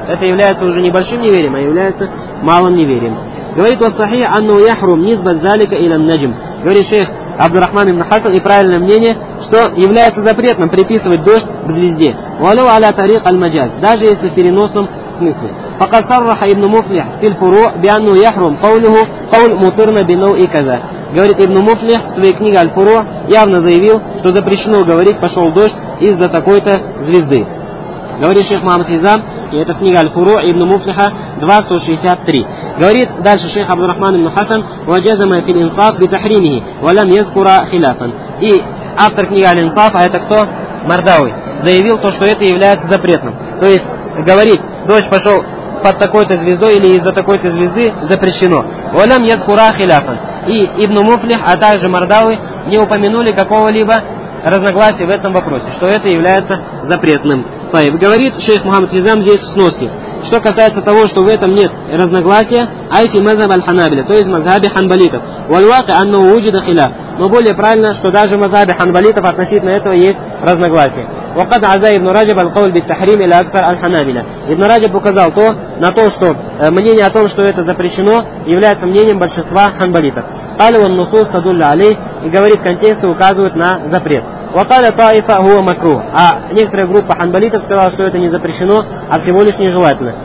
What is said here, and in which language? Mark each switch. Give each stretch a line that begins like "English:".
Russian: Это является уже не большим неверием, а является малым неверием. Говорит
Arabic: «Вассахи анну яхрум низбат залика илян наджим».
Russian: Говорит шейх Абдурахман ибн Хасан, и правильное мнение, что является запретным приписывать дождь к звезде.
Arabic: «Валю аля тарик аль маджаз»,
Russian: даже если в переносном смысле.
Arabic: فقد صرح ابن مفلح في الفروع بأنه يحرم قوله قول مطرنا بنو
Russian: и каза. Говорит ибн Муфлих в своей книге Аль-Фуру явно заявил, что запрещено говорить пошел дождь из-за такой-то звезды. Говорит шейх Мухаммад Хизам, и это книга Аль-Фуру ибн Муфлиха 263. Говорит дальше шейх Абдурахман ибн Хасан,
Arabic: وجزم في الإنصاف بتحريمه ولم يذكر خلافا.
Russian: И автор книги Аль-Инсаф, а это кто? Мардауи, заявил то, что это является запретным. То есть говорить дождь пошел под такой-то звездой или из-за такой-то звезды запрещено.
Arabic: Валям язкура хиляфан.
Russian: И ибн Муфлих, а также Мардауи не упомянули какого-либо разногласия в этом вопросе, что это является запретным. Тайб. Говорит шейх Мухаммад Хизам здесь в сноске. Что касается того, что в этом нет разногласия,
Arabic: айфи мазхаб аль-ханабиля,
Russian: то есть мазхаби ханбалитов.
Arabic: Валвати анна ууджида хиляф.
Russian: Но более правильно, что даже в мазхабе ханбалитов относительно этого есть разногласия.
Arabic: وقد عزا ابن رجب القول بالتحريم الى اكثر الحنابلة.
Russian: Ибн Раджаб указал то, на то, что мнение о том, что это запрещено, является мнением большинства ханбалитов.
Arabic: قال والنصوص تدل عليه,
Russian: и говорит, контексты указывают на запрет.
Arabic: وقال طائفة هو مكروه,
Russian: а некоторая группа ханбалитов сказала, что это не запрещено, а всего лишь нежелательно.